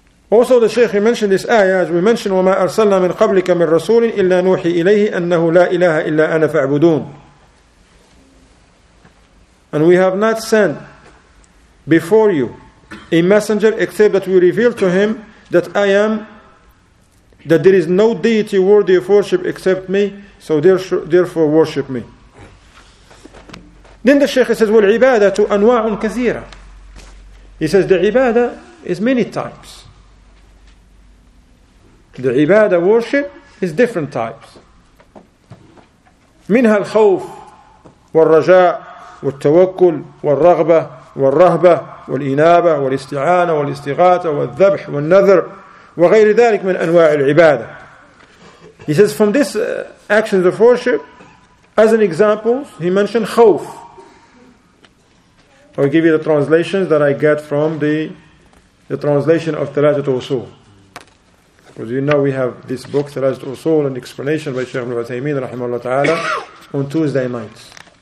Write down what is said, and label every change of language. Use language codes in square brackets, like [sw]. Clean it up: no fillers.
[en] Also, the Shaykh, he mentioned this ayah, as we mentioned, [ar] وَمَا أَرْسَلْنَا مِنْ قَبْلِكَ مِنْ رَسُولٍ إِلَّا نُوحِي إِلَيْهِ أَنَّهُ لَا إِلَهَ إِلَّا أَنَا فَاعْبُدُونَ. [en] And we have not sent before you a messenger except that we reveal to him that I am, that there is no deity worthy of worship except me, so therefore worship me. Then the Shaykh says, well, ibadah to [ar] anwa'un kathira. [en] He says, the ibadah is many types. The ibadah worship is different types. [ar] Minha al-khawf wal-raja' والتوكل والرغبة والرهبة والإنابة والاستعانة والاستغاثة والذبح والنذر وغير ذلك من أنواع العبادة. [en] He says from this actions of worship, as an example, he mentioned خوف. I'll give you the translations that I get from the translation of Thalathat Usul. Because you know we have this book, Thalathat Usul, an explanation by Shaykh Ibn Uthaymeen, rahimahullah ta'ala, on Tuesday nights.